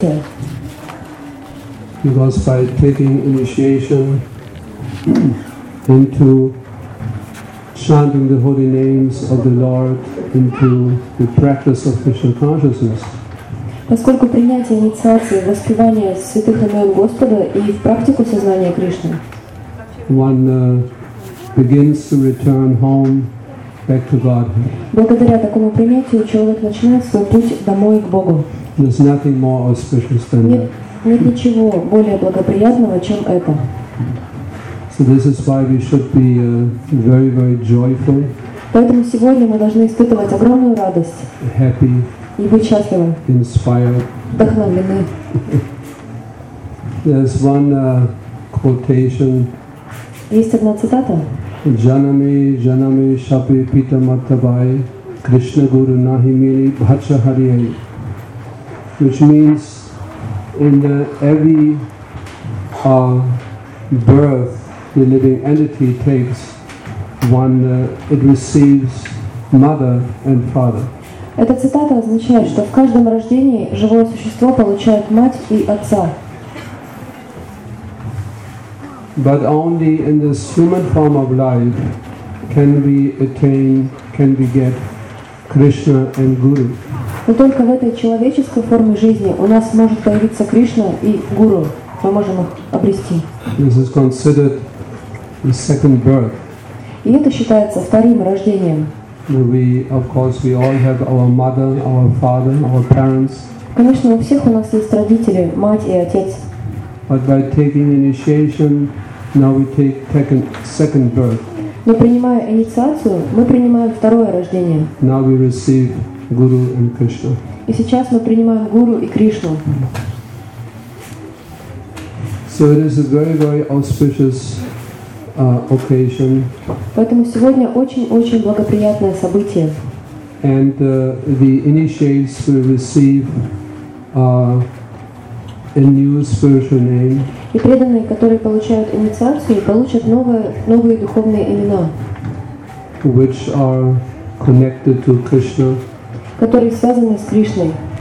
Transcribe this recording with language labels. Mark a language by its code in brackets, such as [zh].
[en] Because by taking initiation into chanting the holy names of the Lord into the practice of Krishna consciousness. [ru] Поскольку принятие инициации, воспевание святых имен Господа и в практику сознания Кришны. [en] One begins to return home back to Godhead. [ru] Благодаря такому принятию человек начинает свой путь домой к Богу. [en] There's nothing more auspicious than that. [ru] Нет ничего более благоприятного, чем это. [en] So this is why we should be very, very joyful. [ru] Поэтому сегодня мы должны испытывать огромную радость. [en] Happy. [ru] И быть счастливы. [en] Inspired. [ru] Вдохновлены. [en] There's one quotation. [ru] Есть одна цитата. Janami, janami, shape pita matabai, Krishna guru nahi mili bhacha hariyai. [en] Which means in every birth the living entity takes, it receives mother and father. [ru] Эта цитата означает, что в каждом рождении живое существо получает мать и отца. [en] But only in this human form of life can we attain, can we get Krishna and Guru. [ru] Но только в этой человеческой форме жизни у нас может появиться Кришна и Гуру. Мы можем их обрести. [en] This is considered the second birth. [ru] И это считается вторым рождением. [en] We, of course, we all have our mother, our father, our parents. [ru] Конечно, у всех у нас есть родители, мать и отец. [en] But by taking initiation, now we take second birth. [ru] Но принимая инициацию, мы принимаем второе рождение. [en] Now we receive Guru and Krishna. [ru] И сейчас мы принимаем Гуру и Кришну. [en] So it is a very, very auspicious occasion. [ru] Поэтому сегодня очень-очень благоприятное событие. [en] And the initiates will receive a new spiritual name. [ru] И преданные, которые получают инициацию, получат новые духовные имена. [en] Which are connected to Krishna. [ru] Которые связаны с Кришной.